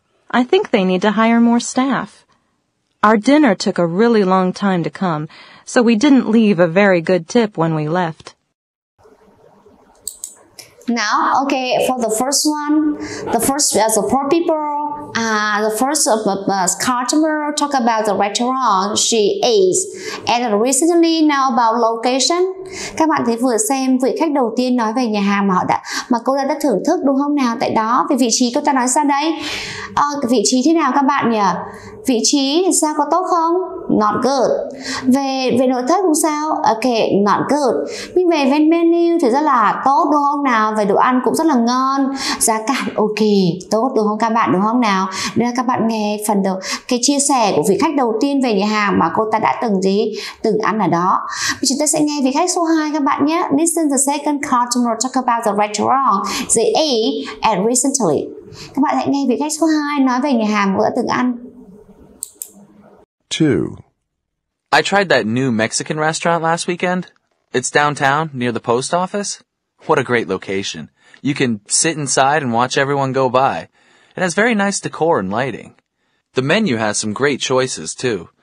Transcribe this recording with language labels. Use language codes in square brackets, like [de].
[en] I think they need to hire more staff. Our dinner took a really long time to come, so we didn't leave a very good tip when we left. Now, okay, for the first one, the first as the poor people, the first of customer talk about the restaurant she is and recently know about location. [vi] Các bạn thấy vừa xem vị khách đầu tiên nói về nhà hàng mà họ đã, mà cô đã thưởng thức đúng không nào? Tại đó, về vị trí cô ta nói sao đây? Vị trí thế nào các bạn nhỉ? Vị trí sao, có tốt không? [en] Not good. [vi] Về nội thất cũng sao? [en] Okay, not good. [vi] Nhưng về menu thì rất là tốt đúng không nào? Về đồ ăn cũng rất là ngon. Giá cả ok, tốt đúng không các bạn, đúng không nào? Đây là các bạn nghe phần đầu, cái chia sẻ của vị khách đầu tiên về nhà hàng mà cô ta đã từng gì? Từng ăn ở đó. Chúng ta sẽ nghe vị khách số 2 các bạn nhé. [en] Listen the second customer talk about the restaurant they ate and recently. [vi] Các bạn hãy nghe vị khách số 2 nói về nhà hàng vừa từng ăn. [en] 2. I tried that new Mexican restaurant last weekend. It's downtown, near the post office. What a great location. You can sit inside and watch everyone go by. It has very nice decor and lighting. The menu has some great choices, too.